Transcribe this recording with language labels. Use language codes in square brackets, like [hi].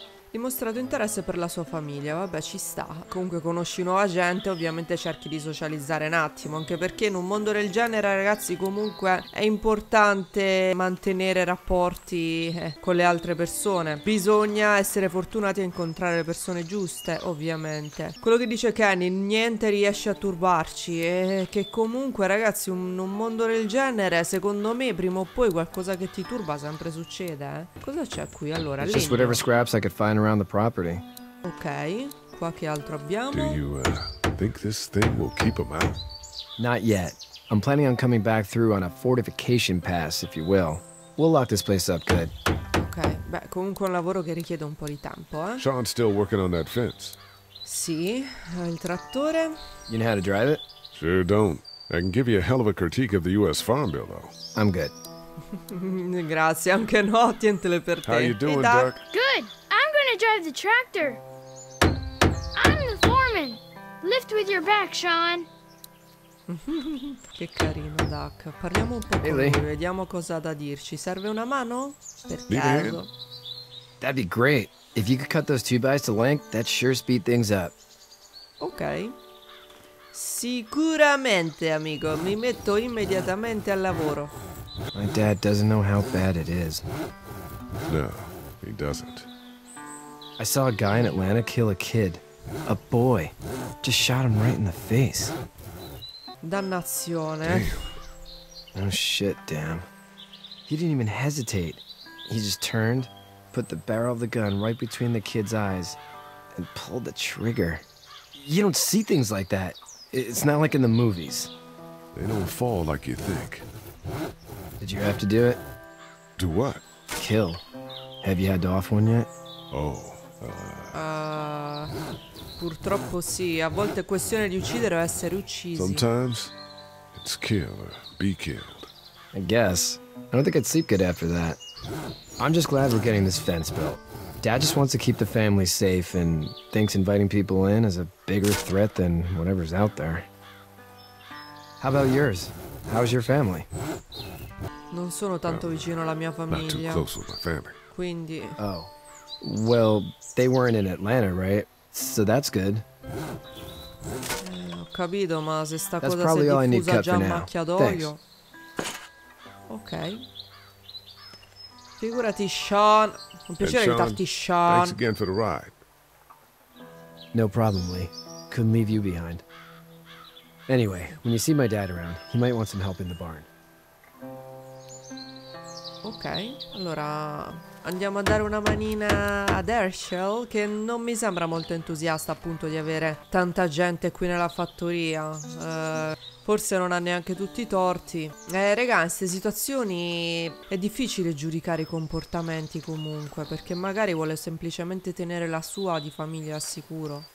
[it] Dimostrato interesse per la sua famiglia, vabbè, ci sta. Comunque conosci nuova gente, ovviamente cerchi di socializzare un attimo, anche perché in un mondo del genere, ragazzi, comunque è importante mantenere rapporti con le altre persone. Bisogna essere fortunati a incontrare le persone giuste, ovviamente. Quello che dice Kenny, niente riesce a turbarci, e che comunque, ragazzi, in un mondo del genere, secondo me, prima o poi qualcosa che ti turba sempre succede, eh. Cosa c'è qui? Allora, [en] just whatever scraps I could find around the property. [it] Okay, qua che altro abbiamo? [en] Do you think this thing will keep them out? Not yet. I'm planning on coming back through on a fortification pass, if you will. We'll lock this place up good. [it] Okay, beh, comunque un lavoro che richiede un po' di tempo, eh? [en] Sean's still working on that fence. [it] Sì, il trattore. [en] You know how to drive it? Sure don't. I can give you a hell of a critique of the U.S. Farm Bill, though. I'm good. [it] Grazie, anche no, tientele per te. [en] How you doing, Doc? Good. Drive the tractor. I'm the foreman. Lift with your back, Sean. [it] Che carino, Doc. Parliamo un po' con lui, vediamo cosa da dirci. Serve una mano? Per caso. [en] That'd be great. If you could cut those two bys to length, that sure speed things up. [it] Ok. Sicuramente, amico. Mi metto immediatamente al lavoro. [en] My dad doesn't know how bad it is. No, he doesn't. I saw a guy in Atlanta kill a kid. A boy. Just shot him right in the face. [it] Dannazione. [en] Damn. Oh shit, damn. He didn't even hesitate. He just turned, put the barrel of the gun right between the kid's eyes, and pulled the trigger. You don't see things like that. It's not like in the movies. They don't fall like you think. Did you have to do it? Do what? Kill. Have you had to off one yet? Oh. [it] Purtroppo sì, a volte è questione di uccidere o essere uccisi. [en] Sometimes it's kill or be killed. I guess. I don't think I'd sleep good after that. I'm just glad we're getting this fence built. Dad just wants to keep the family safe and thinks inviting people in is a bigger threat than whatever's out there. How about yours? How's your family? [it] Non sono tanto vicino alla mia famiglia. [en] Not too close with my family. [it] Quindi. [en] Oh. Well, they weren't in Atlanta, right? So that's good. [it] Ho capito, ma se sta cosa si è diffusa già macchia d'olio. Ok. Figurati, Sean. Un piacere aiutarti, Sean. [en] Thanks again for the ride. No problem, Lee. Couldn't leave you behind. Anyway, when you see my dad around, he might want some help in the barn. [it] Ok, allora andiamo a dare una manina ad Herschel, che non mi sembra molto entusiasta appunto di avere tanta gente qui nella fattoria. Forse non ha neanche tutti i torti. Regà, in queste situazioni è difficile giudicare i comportamenti comunque, perché magari vuole semplicemente tenere la sua di famiglia al sicuro.